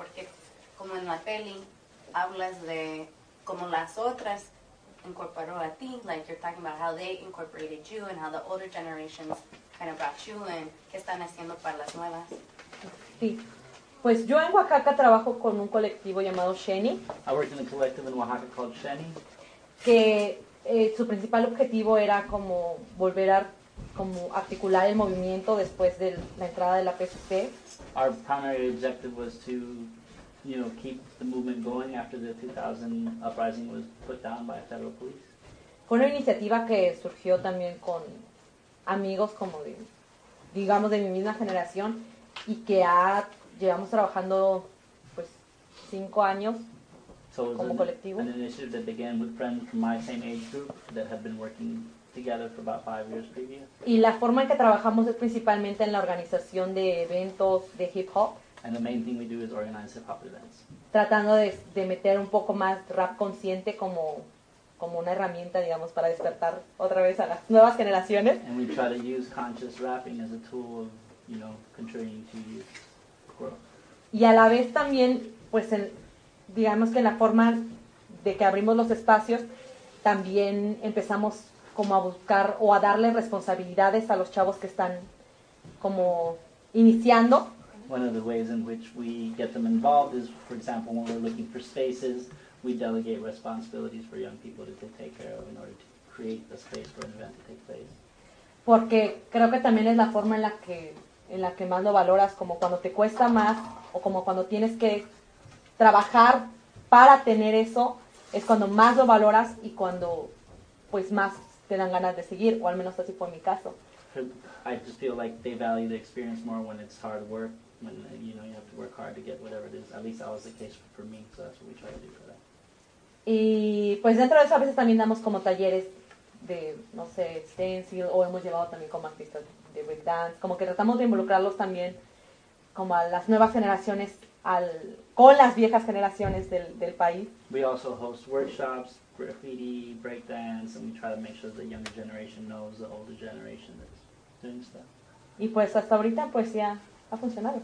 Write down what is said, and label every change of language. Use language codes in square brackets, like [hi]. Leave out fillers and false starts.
[es] Porque como en la peli, hablas de como las otras incorporó a ti. [en] Like, you're talking about how they incorporated you and how the older generations kind of brought you in. [es] ¿Qué están haciendo para las nuevas? Sí. Pues yo en Oaxaca trabajo con un colectivo llamado Sheni. [en] I work in a collective in Oaxaca called Sheni. [es] Que su principal objetivo era como volver a como articular el movimiento después de la entrada de la PCC. [en] Our primary objective was to, you know, keep the movement going after the 2000 uprising was put down by federal police. [es] Fue una iniciativa que surgió también con amigos como de, digamos, de mi misma generación y que ha llevamos trabajando pues 5 años como colectivo. [en] An initiative that began with friends from my same age group that have been working together for about 5 years previous. [es] Y la forma en que trabajamos es principalmente en la organización de eventos de hip hop. [en] And the main thing we do is organize hip hop events. [es] Tratando de meter un poco más rap consciente como una herramienta, digamos, para despertar otra vez a las nuevas generaciones. [en] And we try to use conscious rapping as a tool of, you know, contributing to youth. [es] Y a la vez también, pues digamos que en la forma de que abrimos los espacios, también empezamos como a buscar o a darle responsabilidades a los chavos que están como iniciando. [en] One of the ways in which we get them involved is, for example, when we're looking for spaces, we delegate responsibilities for young people to take care of in order to create the space for an event to take place. [es] Porque creo que también es la forma en la que más lo valoras, como cuando te cuesta más o como cuando tienes que trabajar para tener eso, es cuando más lo valoras y cuando pues más te dan ganas de seguir, o al menos así fue mi caso. [en] I just feel like they value the experience more when it's hard work, when you know you have to work hard to get whatever it is. At least that was the case for me, so that's what we try to do for that. [es] Y pues dentro de eso a veces también damos como talleres de, no sé, stencil, o hemos llevado también como artistas de breakdance, como que tratamos de involucrarlos también como a las nuevas generaciones con las viejas generaciones del país. [en] We also host workshops, graffiti, breakdance, and we try to make sure the younger generation knows the older generation that's doing stuff. [es] Y pues hasta ahorita pues ya ha funcionado.